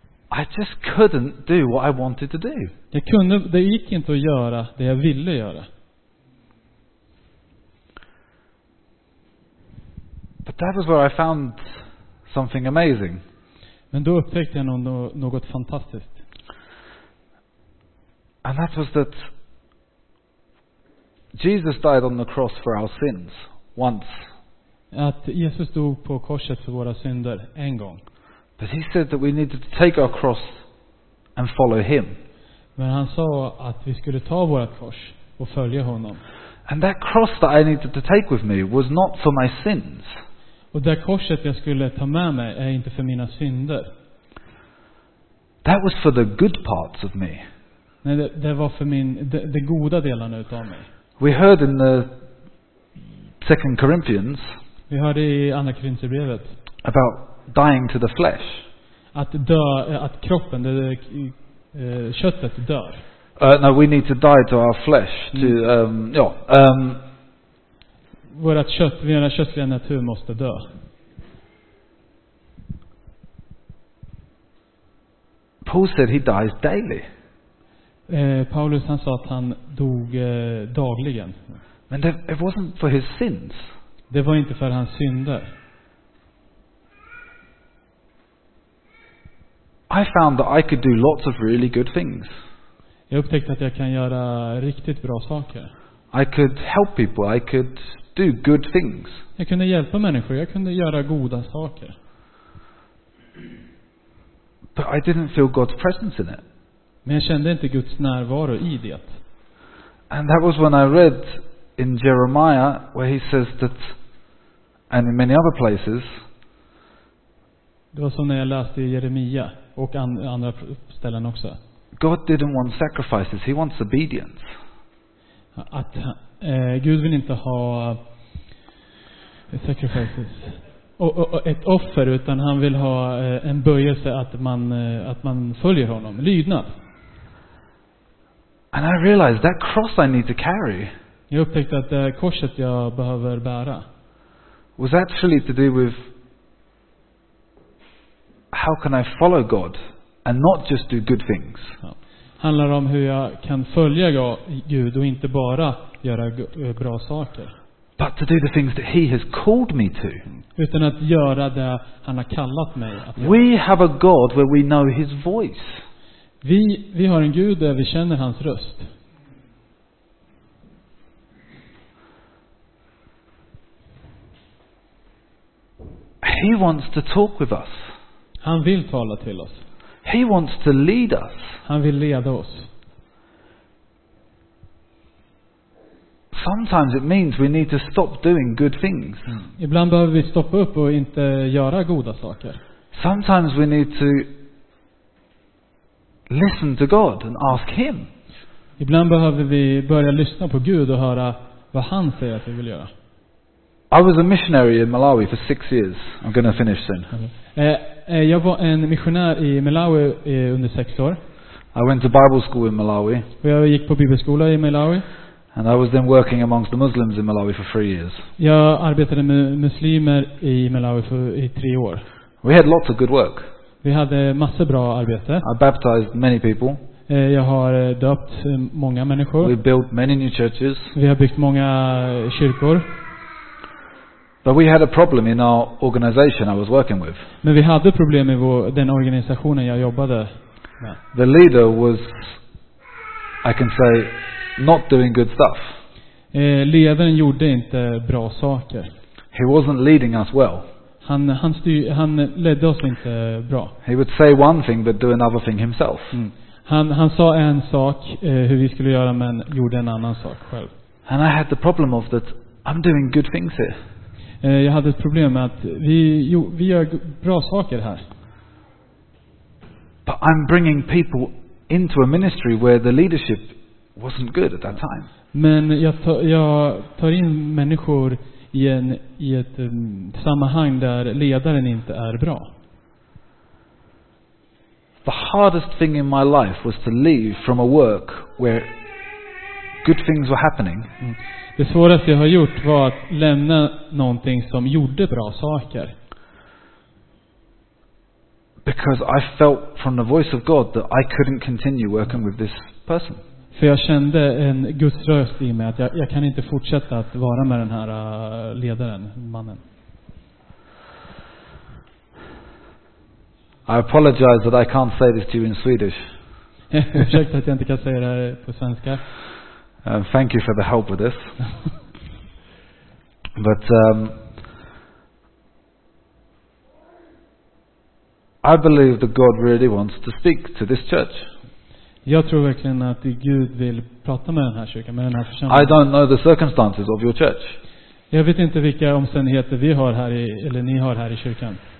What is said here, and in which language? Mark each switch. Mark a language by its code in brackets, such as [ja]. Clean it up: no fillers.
[en] I just couldn't do what I wanted to do. [sv] Det gick inte att göra det jag ville göra. [en] But that was where I found something amazing. [sv] Men då upptäckte jag något fantastiskt. [en] And that was that Jesus died on the cross for our sins once. [sv] Att Jesus dog på korset för våra synder en gång. [en] But he said that we needed to take our cross and follow him. [sv] Men han sa att vi skulle ta vårt kors och följa honom. [en] And that cross that I needed to take with me was not for my sins. [sv] Och det korset jag skulle ta med mig är inte för mina synder. [en] That was for the good parts of me. [sv] Nej, det var för min de goda delarna utav mig. [en] We heard in the Second Corinthians. [sv] Vi hörde i andra Korinthierbrevet [en] about dying to the flesh. [sv] Att dö, att kroppen, det köttet dör. [en] No, we need to die to our flesh. To [sv] Vårat kött, vår köttliga natur måste dö. [en] Paul said he dies daily. [sv] Paulus han sa att han dog dagligen. Men [en] it wasn't for his sins. [sv] Det var inte för hans synder. [en] I found that I could do lots of really good things. [sv] Jag upptäckte att jag kan göra riktigt bra saker. [en] I could help people. I could do good things. [sv] Jag kunde hjälpa människor. Jag kunde göra goda saker. [en] But I didn't feel God's presence in it. [sv] Men jag kände inte Guds närvaro i det. [en] And that was when I read in Jeremiah where he says that, and in many other places. [sv] Det var så när jag läste i Jeremia och andra ställen också. [en] God didn't want sacrifices, he wants obedience. [sv] Att Gud vill inte ha sacrifices och ett offer, utan han vill ha en böjelse, att man följer honom, lydnad. [en] And I realized that cross I need to carry. [sv] Jag upptäckte att det korset jag behöver bära [en] was actually to do with how can I follow God and not just do good things. [sv] Handlar om hur jag kan följa Gud och inte bara göra bra saker. [en] But to do the things that he has called me to. [sv] Utan att göra det han har kallat mig att göra. [en] We have a God where we know his voice. [sv] Vi har en Gud där vi känner hans röst. [en] He wants to talk with us. [sv] Han vill tala till oss. [en] He wants to lead us. [sv] Han vill leda oss. [en] Sometimes it means we need to stop doing good things. [sv] Ibland behöver vi stoppa upp och inte göra goda saker. [en] Sometimes we need to listen to God and ask him. [sv] Ibland behöver vi börja lyssna på Gud och höra vad han säger att vi vill göra. [en] I was a missionary in Malawi for 6 years. I'm going to finish soon. [sv] Jag var en missionär i Malawi under 6 år. [en] I went to Bible school in Malawi. [sv] Jag gick på bibelskola i Malawi. [en] And I was then working amongst the Muslims in Malawi for 3 years. [sv] Jag arbetade med muslimer i Malawi i 3 år. [en] We had lots of good work. [sv] Vi hade massa bra arbete. [en] I baptized many people. [sv] Jag har döpt många människor. [en] We built many new churches. [sv] Vi har byggt många kyrkor. [en] But we had a problem in our organization I was working with. [sv] Men vi hade problem i den organisationen jag jobbade med. [en] The leader was, I can say, not doing good stuff. [sv] Ledaren gjorde inte bra saker. [en] He wasn't leading us well. [sv] Han ledde oss inte bra. [en] He would say one thing but do another thing himself. [sv] Han sa en sak hur vi skulle göra, men gjorde en annan sak själv. [en] And I had the problem of that I'm doing good things here. [sv] Jag hade ett problem med att vi gör bra saker här. [en] But I'm bringing people into a ministry where the leadership wasn't good at that time. [sv] Men jag tar in människor i ett sammanhang där ledaren inte är bra. [en] The hardest thing in my life was to leave from a work where good things were happening. [sv] Det svåraste jag har gjort var att lämna någonting som gjorde bra saker. [en] Because I felt from the voice of God that I couldn't continue working with this person. [sv] För jag kände en Guds röst i mig att jag kan inte fortsätta att vara med den här ledaren, mannen. [en] I apologize that I can't say this to you in Swedish. [sv] Ursäkta att jag inte kan säga det här på svenska. [en] Thank you for the help with this. But I believe that God really wants to speak to this church. [sv] Jag tror verkligen att Gud vill prata med den här kyrkan, med den här församlingen. [en] I don't know the circumstances of your church. [sv] Jag vet inte vilka omständigheter vi har här i, eller ni har här i kyrkan.